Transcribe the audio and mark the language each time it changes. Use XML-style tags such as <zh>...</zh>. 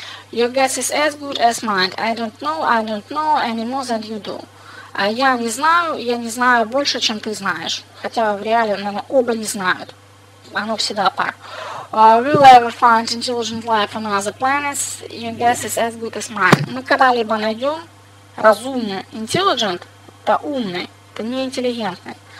<en>Your guess is as good as mine. I don't know any more than you do.</en> <ru>Я не знаю больше, чем ты знаешь. Хотя в реале, наверное, оба не знают. Оно всегда так.</ru> <en>Will I ever find intelligent life on other planets? Your guess is as good as mine.</en> <ru>Мы когда-либо найдем разумный intelligent, это умный, это не интеллигентный.</ru>